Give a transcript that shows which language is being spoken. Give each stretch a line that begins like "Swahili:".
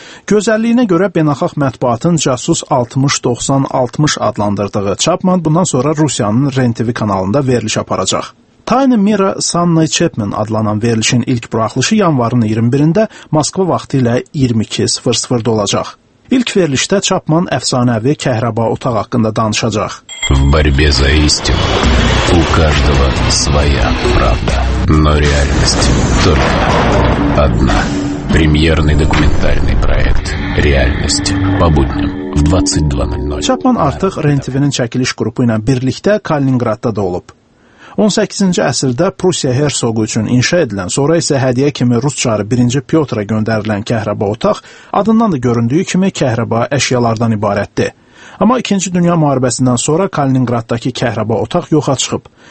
Azerbaijani: Gözəlliyinə görə beynəlxalq mətbuatın casus 60-90-60 adlandırdığı Chapman bundan sonra Rusiyanın RENTV kanalında veriliş aparacaq. Tiny Mira Sunny Chapman adlanan verilişin ilk buraxılışı yanvarın 21-də Moskva vaxtı ilə 22:00-da olacaq. İlk verilişdə Chapman əfsanəvi kəhrəba otaq haqqında danışacaq.
Russian: Борьбе за истину. У каждого своя правда. Но реальность только одна. Премьерный документальный проект «Реальность» по будням в 22:00.
Azerbaijani: Chapman artıq RENTV-nin çəkiliş qrupu ilə birlikdə Kaliningradda da olub. 18-ci əsrdə Prusiya hersoqu üçün inşa edilən, sonra isə hədiyə kimi Rus çarı 1-ci Piotra göndərilən kəhrəba otaq adından da göründüyü kimi kəhrəba əşyalardan ibarətdir. Amma 2-ci Dünya müharibəsindən sonra Kaliningraddakı kəhrəba otaq yoxa çıxıb.